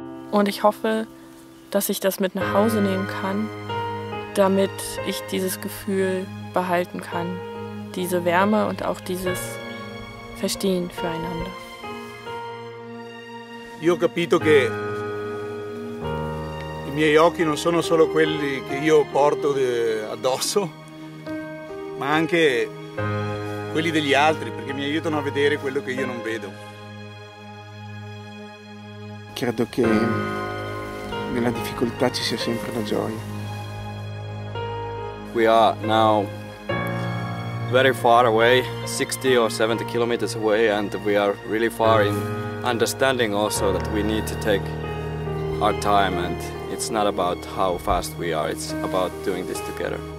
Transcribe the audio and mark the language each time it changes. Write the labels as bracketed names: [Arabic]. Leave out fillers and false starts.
[German] Und ich hoffe, dass ich das mit nach Hause nehmen kann, damit ich dieses Gefühl behalten kann, diese Wärme und auch dieses Verstehen füreinander. [Italian] Io ho capito che i miei occhi non sono solo quelli che io porto addosso, ma anche quelli degli altri, perché mi aiutano a vedere quello che io non vedo. Credo che nella difficoltà ci sia sempre la gioia. [English] We are now very far away, 60 or 70 kilometers away, and we are really far in understanding also that we need to take our time, and it's not about how fast we are, it's about doing this together.